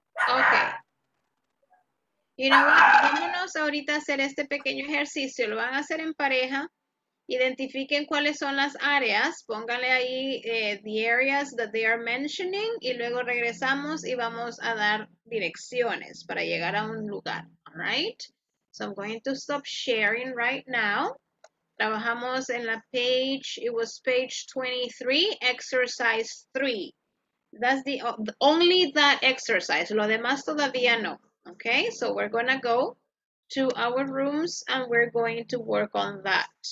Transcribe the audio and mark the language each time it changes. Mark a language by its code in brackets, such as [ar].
[es] Okay. [en] You know what? [es] Vámonos ahorita a hacer este pequeño ejercicio. Lo van a hacer en pareja. Identifiquen cuáles son las áreas. Pónganle ahí [en] the areas that they are mentioning. [es] Y luego regresamos y vamos a dar direcciones para llegar a un lugar. [en] All right? So I'm going to stop sharing right now. [es] Trabajamos en la [en] page. It was page 23, exercise 3. That's the only that exercise. [es] Lo demás todavía no. [en] Okay, so we're gonna go to our rooms and we're going to work on that.